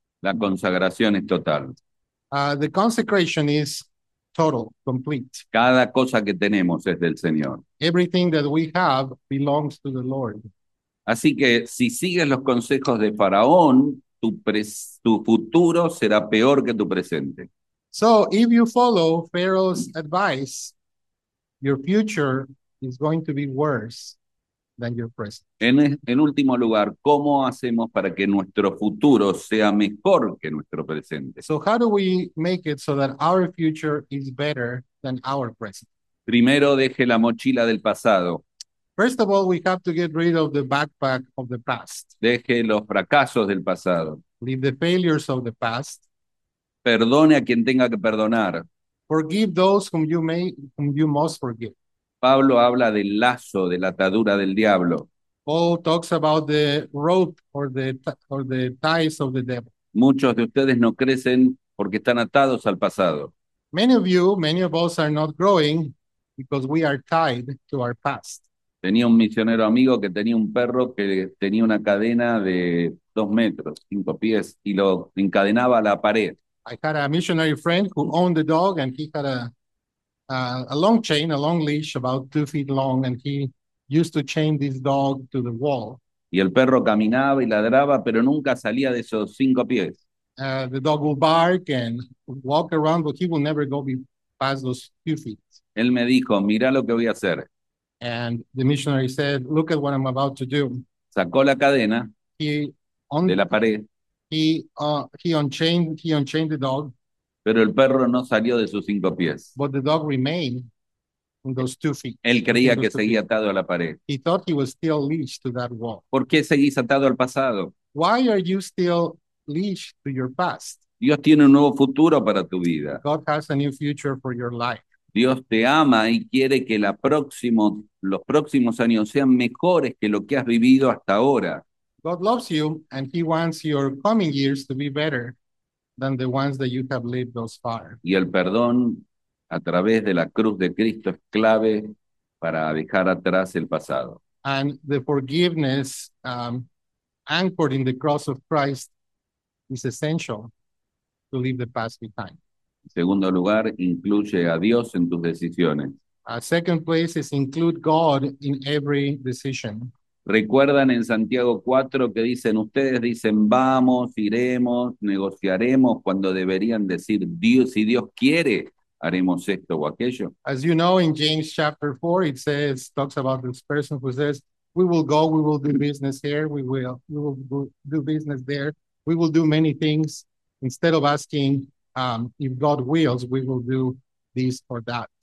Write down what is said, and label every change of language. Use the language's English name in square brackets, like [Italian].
[Spanish] La consagración es total. [English] The consecration is total, complete. [Spanish] Cada cosa que tenemos es del Señor. [English] Everything that we have belongs to the Lord. [Spanish] Así que si sigues los consejos de Faraón, tu futuro será peor que tu presente. [English] So, if you follow Pharaoh's advice, your future is going to be worse than your present. [Spanish] En último lugar, ¿cómo hacemos para que nuestro futuro sea mejor que nuestro presente? [English] So, how do we make it so that our future is better than our present? [Spanish] Primero, deje la mochila del pasado. [English] First of all, we have to get rid of the backpack of the past. [Spanish] Deje los fracasos del pasado. [English] Leave the failures of the past. [Spanish] Perdone a quien tenga que perdonar. [English] Forgive those whom you must forgive. [Spanish] Pablo habla del lazo, de la atadura del diablo. [English] Paul talks about the rope or the ties of the devil. [Spanish] Muchos de ustedes no crecen porque están atados al pasado. [English] Many of you, many of us are not growing because we are tied to our past. [Spanish] Tenía un misionero amigo que tenía un perro que tenía una cadena de 2 metros, 5 pies, y lo encadenaba a la pared. [English] I had a missionary friend who owned a dog, and he had a long chain, a long leash, about 2 feet long, and he used to chain this dog to the wall. [Spanish] Y el perro caminaba y ladraba, pero nunca salía de esos 5 pies. [English] The dog will bark and walk around, but he will never go past those 2 feet. [Spanish] Él me dijo, mira lo que voy a hacer. [English] And the missionary said, look at what I'm about to do. [Spanish] Sacó la cadena de la pared. [English] He unchained the dog. [Spanish] Pero el perro no salió de sus 5 pies. [English] But the dog remained on those 2 feet. [Spanish] Él creía que seguía atado a la pared. [English] He thought he was still leashed to that wall. [Spanish] ¿Por qué seguís atado al pasado? [English] Why are you still leashed to your past? [Spanish] Dios tiene un nuevo futuro para tu vida. [English] God has a new future for your life. [Spanish] Dios te ama y quiere que los próximos años sean mejores que lo que has vivido hasta ahora. [English] God loves you, and he wants your coming years to be better than the ones that you have lived thus far. [Spanish] Y el perdón a través de la cruz de Cristo es clave para dejar atrás el pasado. [English] And the forgiveness anchored in the cross of Christ is essential to leave the past behind. [Spanish] En segundo lugar, incluye a Dios en tus decisiones. [English] A second place is include God in every decision. [Spanish] ¿Recuerdan en Santiago 4 que dicen, ustedes dicen, vamos, iremos, negociaremos, cuando deberían decir, Dios, si Dios quiere, haremos esto o aquello? [English] As you know, in James chapter 4, it says, talks about this person who says, we will go, we will do business here, we will do business there, we will do many things. Instead of asking, if God wills, we will do this or that.